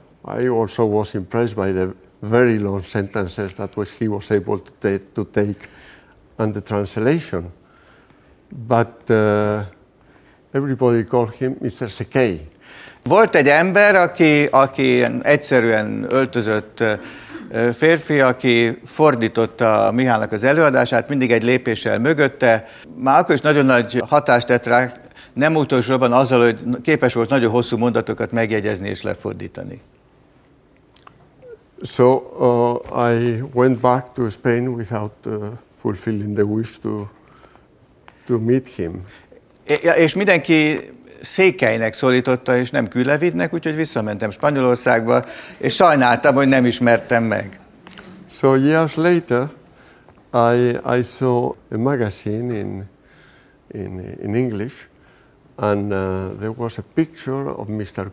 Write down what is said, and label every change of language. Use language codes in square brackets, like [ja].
[en] I also was impressed by the very long sentences that he was able to take and the translation. But everybody called him Mr. Sekei. [hu] Volt egy ember, aki egyszerűen öltözött férfi, aki fordította Mihának az előadását, mindig egy lépéssel mögötte. Már akkor is nagyon nagy hatást tett rá, nem utolsóban azzal, hogy képes volt nagyon hosszú mondatokat megjegyezni és lefordítani. [en] So I went back to Spain without fulfilling the wish to meet him. [hu] És mindenki Székelynek szólította, és nem Kulevinnek, úgyhogy visszamentem Spanyolországba, és sajnáltam, hogy nem ismertem meg. [en] So years later, I saw a magazine in English, and there was a picture of Mr.